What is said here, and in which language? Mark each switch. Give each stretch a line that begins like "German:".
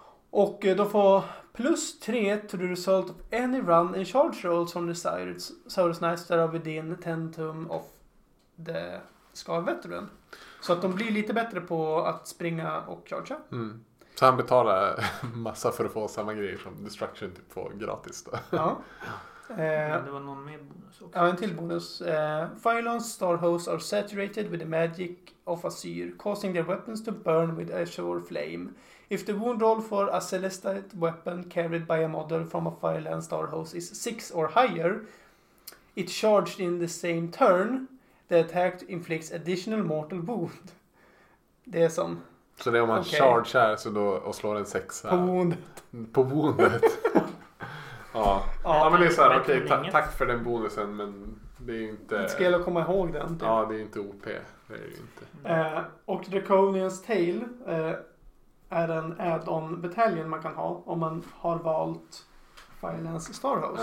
Swedish: Och då får
English: +3 to the result of any run in charge roll from the Saurus Knights that are within 10 tum of the Scar Veteran.
Swedish: Så att de blir lite bättre på att springa och chargea. Mm. Så han betalar massa för att få samma grejer som Destruction typ får gratis då. Ja. Det var någon mer bonus också. Ja, en till bonus.
English: Firelance Starhosts are saturated with the magic of Azir, causing their weapons to burn with Azure Flame. If the wound roll for a Celestite weapon carried by a model from a Firelance Starhost is 6 or higher, it charged in the same turn, the attack inflicts additional mortal wound.
Swedish: Det är som... Så det är om man chargear så då, och slår en 6 på woundet. På woundet. Ja, men det är såhär, okej, tack för den bonusen, men det är ju inte... Det ska jag komma ihåg den. Typ. Ja, det är ju inte OP. Det är ju inte. Och Draconian's Tail är en add-on-battalion man kan ha om man har valt Firelance Starhost.